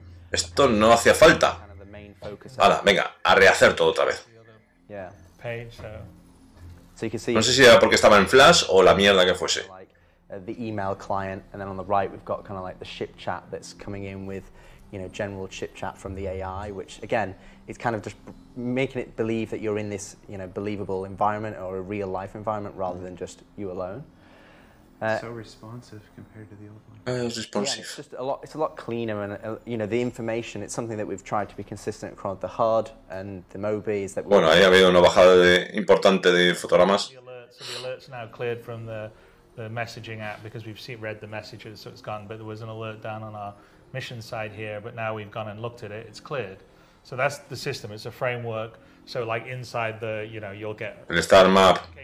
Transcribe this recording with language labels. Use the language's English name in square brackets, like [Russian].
[Spanish] Esto no hacía falta. Ahora, venga, a rehacer todo otra vez. No sé si era porque estaba en Flash o la mierda que fuese. [English] The email client, and then on the right we've got kind of like the ship chat that's coming in with, you know, general chip chat from the AI, which again is kind of just making it believe that you're in this, you know, believable environment or a real life environment rather than just you alone. So responsive compared to the old one. It's responsive. Yeah, it's just a lot cleaner, and you know, the information, it's something that we've tried to be consistent across the HUD and the MOBI is that. [Spanish] Bueno, ahí ha habido una bajada importante de fotogramas. [English] The alerts now cleared from the messaging app because we've read the messages, so it's gone. But there was an alert down on our mission side here, but now we've gone and looked at it, it's cleared. So that's the system, it's a framework. So like inside the, you know, you'll get the start map.